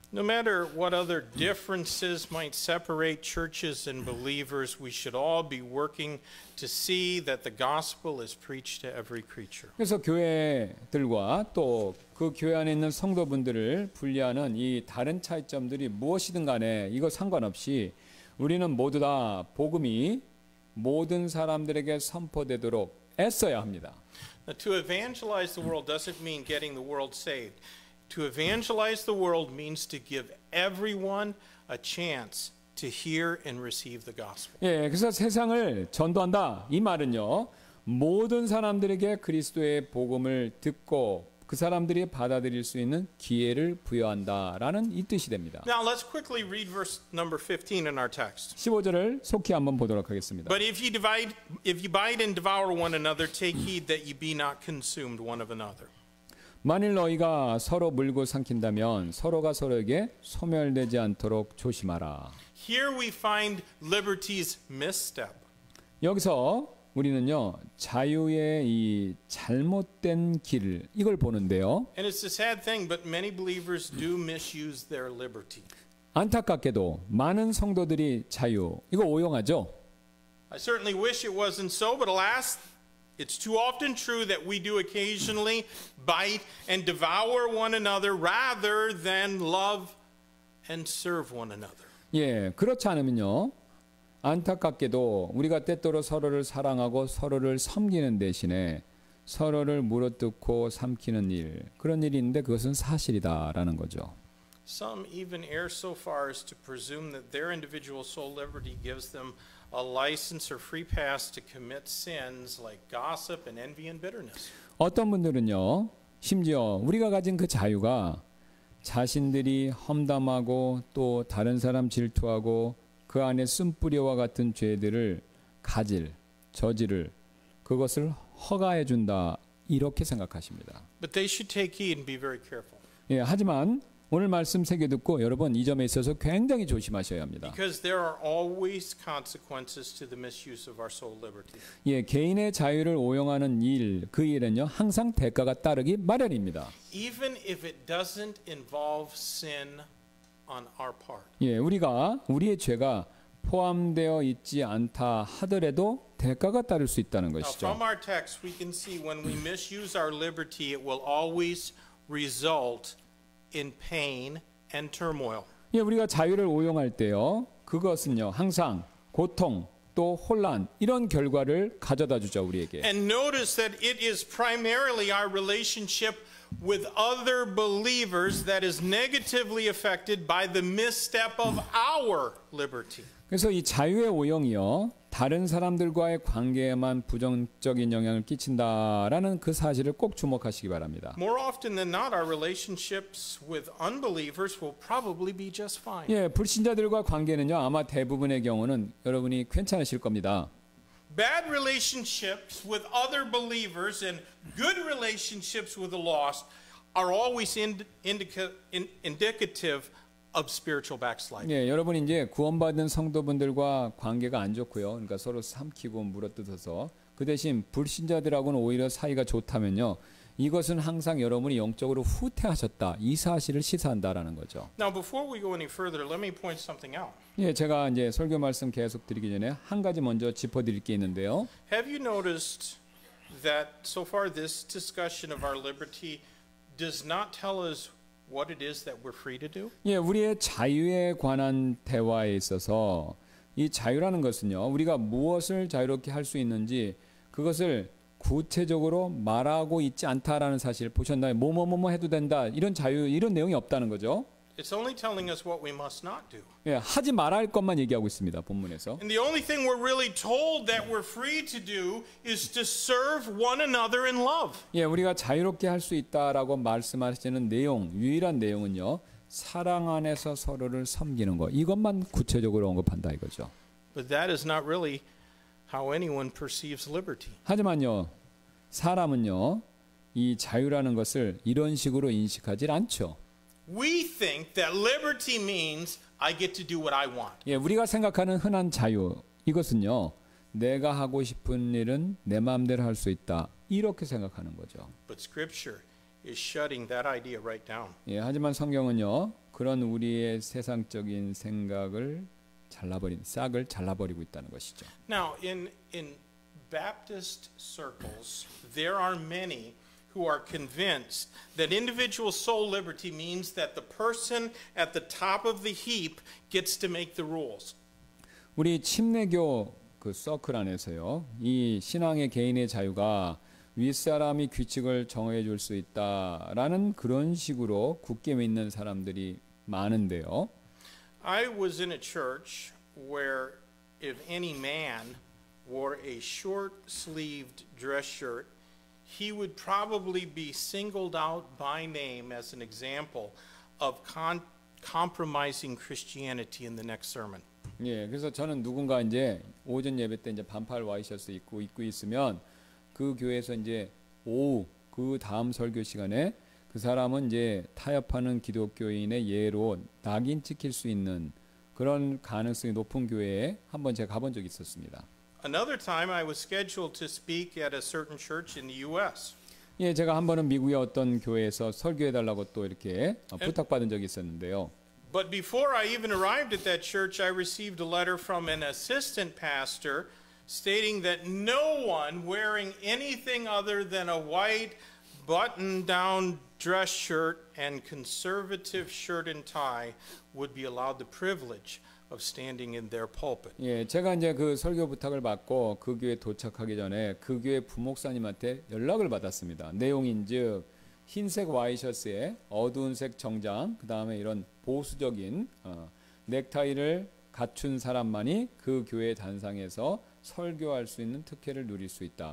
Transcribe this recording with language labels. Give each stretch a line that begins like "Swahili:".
English: No matter what other differences might separate churches and believers, we should all be working to see that the gospel is preached to every creature.
Korean: 그래서 교회들과 또 그 교회 안에 있는 성도분들을 분리하는 이 다른 차이점들이 무엇이든 간에 이거 상관없이 우리는 모두 다 복음이 모든 사람들에게 선포되도록 애써야 합니다.
English: Now, to evangelize the world doesn't mean getting the world saved. To evangelize the world means to give everyone a chance to hear and receive the gospel.
Korean: 예, 그래서 세상을 전도한다 이 말은요 모든 사람들에게 그리스도의 복음을 듣고 그 사람들이 받아들일 수 있는 기회를 부여한다라는 이 뜻이 됩니다.
English: Now let's quickly read verse number 15 in our text.
Korean: 15절을 속히 한번 보도록 하겠습니다.
English: But if you bite and devour one another, take heed that you be not consumed one of another.
Korean: 만일 너희가 서로 물고 삼킨다면 서로가 서로에게 소멸되지 않도록 조심하라.
English: Here we find liberty's misstep.
Korean: 여기서 우리는요 자유의 이 잘못된 길 이걸 보는데요.
English: And it's a sad thing, but many believers do misuse their liberty.
Korean: 안타깝게도 많은 성도들이 자유 이거 오용하죠.
English: I certainly wish it wasn't so, but alas. It's too often true that we do occasionally bite and devour one another rather than love and serve one another.
Korean: 예, 그렇지 않으면요. 안타깝게도 우리가 때때로 서로를 사랑하고 서로를 섬기는 대신에 서로를 물어뜯고 삼키는 일. 그런 일인데 그것은 사실이다라는 거죠.
English: Some even err so far as to presume that their individual soul liberty gives them a license or free pass to commit sins like gossip and envy and bitterness.
Korean: 어떤 분들은요, 심지어 우리가 가진 그 자유가 자신들이 험담하고 또 다른 사람 질투하고 그 안에 쓴뿌리와 같은 죄들을 가질, 저지를 그것을 허가해 준다 이렇게 생각하십니다.
English: But they should take heed and be very careful.
Korean: 예, 하지만 오늘 말씀 세 개 듣고 여러분 이 점에 있어서 굉장히 조심하셔야 합니다.
English: Because there are always consequences to the misuse of our soul liberty.
Korean: 예, 개인의 자유를 오용하는 일, 그 일은요 항상 대가가 따르기 마련입니다.
English: Even if it doesn't involve sin on our part.
Korean: 예, 우리가 우리의 죄가 포함되어 있지 않다 하더라도 대가가 따를 수 있다는 것이죠.
English: Now, from our text, we can see when we misuse our liberty, it will always result in pain and turmoil.
Korean: 예, 우리가 자유를 오용할 때요. 그것은요. 항상 고통 또 혼란 이런 결과를 가져다 주죠, 우리에게.
English: And notice that it is primarily our relationship with other believers that is negatively affected by the misstep of our liberty.
Korean: 그래서 이 자유의 오용이요. 다른 사람들과의 관계에만 부정적인 영향을 끼친다라는 그 사실을 꼭 주목하시기 바랍니다.
English: More often than not, our relationships with unbelievers will probably be just fine.
Korean: 예, 불신자들과 관계는요, 아마 대부분의 경우는 여러분이 괜찮으실 겁니다.
English: Bad relationships with other believers and good relationships with the lost are always indicative of spiritual backsliding.
Korean: 예, 여러분 이제 구원받은 성도분들과 관계가 안 좋고요. 그러니까 서로 삼키고 물어뜯어서 그 대신 불신자들하고는 오히려 사이가 좋다면요. 이것은 항상 여러분이 영적으로 후퇴하셨다. 이 사실을 시사한다라는 거죠.
English: Now before we go any further, let me point something out.
Korean: 예, 제가 이제 설교 말씀 계속 드리기 전에 한 가지 먼저 짚어 드릴 게 있는데요.
English: Have you noticed that so far this discussion of our liberty does not tell us what it is that we're free to do?
Korean: 예, 우리의 자유에 관한 대화에 있어서 이 자유라는 것은요. 우리가 무엇을 자유롭게 할 수 있는지 그것을 구체적으로 말하고 있지 않다라는 사실 보셨나요? 뭐뭐뭐뭐 해도 된다. 이런 자유 이런 내용이 없다는 거죠.
English: It's only telling us what we must not do.
Korean: 예, 하지 말아야 할 것만 얘기하고 있습니다. 본문에서.
English: And the only thing we're really told that we're free to do is to serve one another in love.
Korean: 예, 우리가 자유롭게 할 수 있다라고 말씀하시는 내용, 유일한 내용은요. 사랑 안에서 서로를 섬기는 거. 이것만 구체적으로 언급한다 이거죠.
English: But that is not really how anyone perceives liberty.
Korean: 하지만요. 사람은요. 이 자유라는 것을 이런 식으로 인식하지 않죠.
English: We think that liberty means I get to do what I want.
Korean: 예, 우리가 생각하는 흔한 자유 이것은요. 내가 하고 싶은 일은 내 마음대로 할 수 있다. 이렇게 생각하는 거죠.
English: But scripture is shutting that idea right down.
Korean: 예, 하지만 성경은요. 그런 우리의 세상적인 생각을 잘라버린 싹을 잘라버리고 있다는 것이죠.
English: Now in Baptist circles there are many who are convinced that individual soul liberty means that the person at the top of the heap gets to make the rules.
Korean: 우리 침례교 그 서클 안에서요. 이 신앙의 개인의 자유가 윗사람이 규칙을 정해 줄 수 있다라는 그런 식으로 굳게 믿는 사람들이 많은데요.
English: I was in a church where if any man wore a short-sleeved dress shirt he would probably be singled out by name as an example of compromising Christianity in the next sermon.
Korean: 예, 그래서 저는 누군가 이제 오전 예배 때 이제 반팔 와이셔츠 입고 있으면 그 교회에서 이제 오후 그 다음 설교 시간에 그 사람은 이제 타협하는 기독교인의 예로 낙인 찍힐 수 있는 그런 가능성이 높은 교회에 한번 제가 가본 적이 있었습니다.
English: Another time I was scheduled to speak at a certain church in the US.
Korean: 예, 제가 한 번은 미국의 어떤 교회에서 설교해 달라고 또 이렇게 부탁받은 적이 있었는데요.
English: But before I even arrived at that church, I received a letter from an assistant pastor stating that no one wearing anything other than a white button-down dress shirt and conservative shirt and tie would be allowed the privilege of standing in their pulpit.
Korean: 예, 제가 이제 그 설교 부탁을 받고 그 교회 도착하기 전에 그 교회 부목사님한테 연락을 받았습니다. 내용인즉 흰색 와이셔츠에 어두운색 정장, 그다음에 이런 보수적인 넥타이를 갖춘 사람만이 그 교회 단상에서 설교할 수 있는 특혜를 누릴 수 있다.